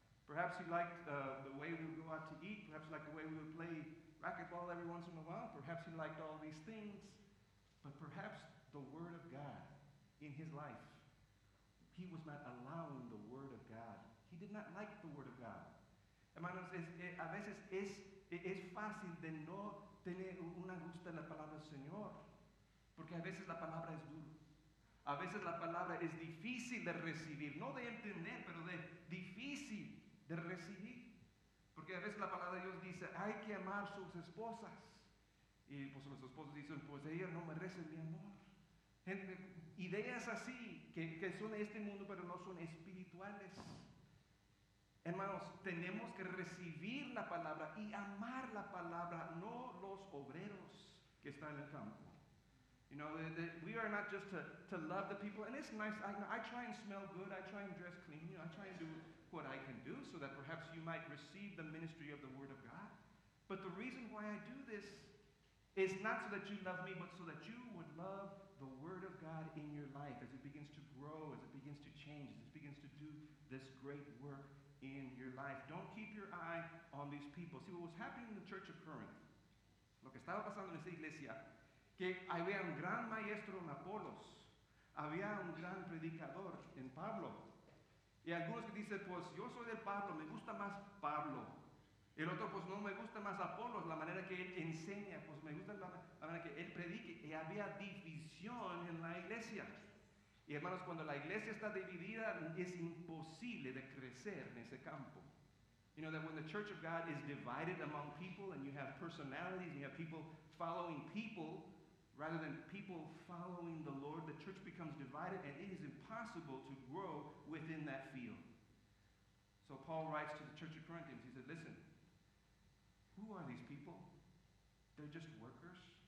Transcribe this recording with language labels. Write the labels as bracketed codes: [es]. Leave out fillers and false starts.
[en] Perhaps he liked the way we would go out to eat. Perhaps he liked the way we would play racquetball every once in a while. Perhaps he liked all these things. But perhaps the Word of God in his life, he was not allowing the Word of God. He did not like the Word of God. [es] Hermanos, a veces es fácil de no tener una gusto en la palabra del Señor. Porque a veces la palabra es dura. A veces la palabra es difícil de recibir. No de entender, pero de difícil de recibir. Porque a veces la palabra de Dios dice, hay que amar sus esposas. Y pues los esposos dicen, pues ellas no merecen mi amor. Gente, ideas así, que son de este mundo, pero no son espirituales. Hermanos, tenemos que recibir la palabra y amar la palabra, no los obreros que están en el campo. [en] You know, we are not just to love the people. And it's nice, I try and smell good, I try and dress clean, you know, I try and do what I can do so that perhaps you might receive the ministry of the Word of God. But the reason why I do this is not so that you love me, but so that you would love the Word of God in your life as it begins to grow, as it begins to change, as it begins to do this great work in your life. Don't keep your eye on these people. See, what was happening in the church of Corinth, [es] lo que estaba pasando en esa iglesia, que había un gran maestro en Apolos, había un gran predicador en Pablo. Y algunos que dicen, pues yo soy del Pablo, me gusta más Pablo. El otro, pues no me gusta más Apolos, la manera que él enseña, pues me gusta la manera que él predique. Y había división en la iglesia. Y hermanos, cuando la iglesia está dividida, es imposible de crecer en ese campo. [en] You know that when the church of God is divided among people and you have personalities and you have people following people rather than people following the Lord, the church becomes divided and it is impossible to grow within that field. So Paul writes to the church of Corinthians. He said, listen, who are these people? They're just workers.